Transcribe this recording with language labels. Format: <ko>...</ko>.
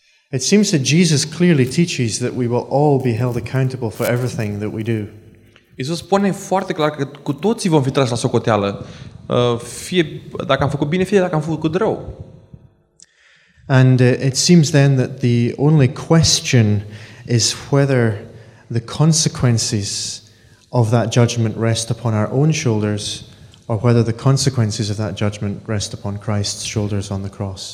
<en>It seems that Jesus clearly teaches that we will all be held accountable for everything that we do.</en> <ro>Iisus spune foarte clar că cu toții vom fi trași la socoteală, fie dacă am făcut bine, fie dacă am făcut rău.</ro> <en>And it seems then that the only question is whether the consequences of that judgment rest upon our own shoulders, or whether the consequences of that judgment rest upon Christ's shoulders on the cross.</en>